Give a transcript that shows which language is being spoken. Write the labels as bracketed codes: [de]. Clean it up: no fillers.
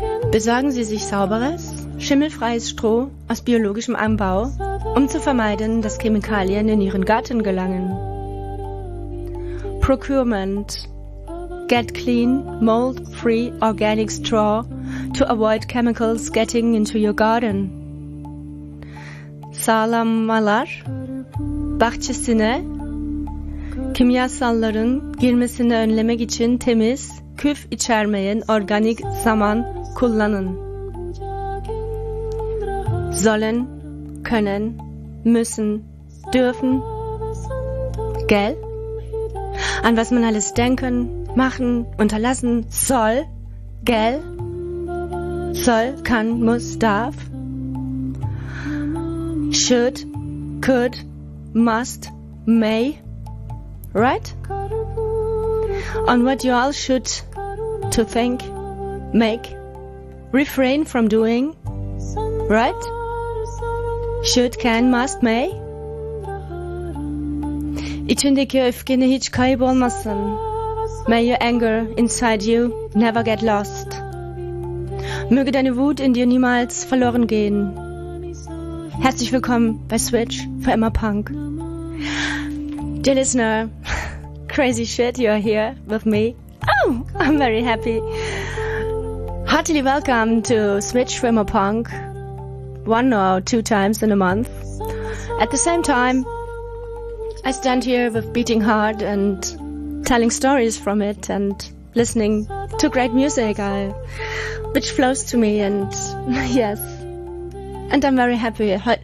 [de] Besorgen Sie sich sauberes, schimmelfreies Stroh aus biologischem Anbau, um zu vermeiden, dass Chemikalien in Ihren Garten gelangen. [en] Procurement. Get clean, mold-free organic straw to avoid chemicals getting into your garden. [tr] Sağlamalar. Bahçesine kimyasalların girmesini önlemek için temiz, küf içermeyen organik saman kullanın. [de] Sollen, können, müssen, dürfen. Gell? An was man alles denken, machen, unterlassen soll. Gell? Soll, kann, muss, darf. [en] Should, could, must, may. Right? On what you all should to think, make, refrain from doing, right? Should, can, must, may. [tr] İçindeki öfkeni hiç kaybolmasın. [en] May your anger inside you never get lost. [de] Möge deine Wut in dir niemals verloren gehen. Herzlich willkommen bei Switch für immer Punk. [en] Dear listener, crazy shit, you are here with me. Oh, I'm very happy. Heartily welcome to Switch for Emma Punk, one or two times in a month. At the same time, I stand here with beating heart and telling stories from it and listening to great music which flows to me, and yes, and I'm very happy.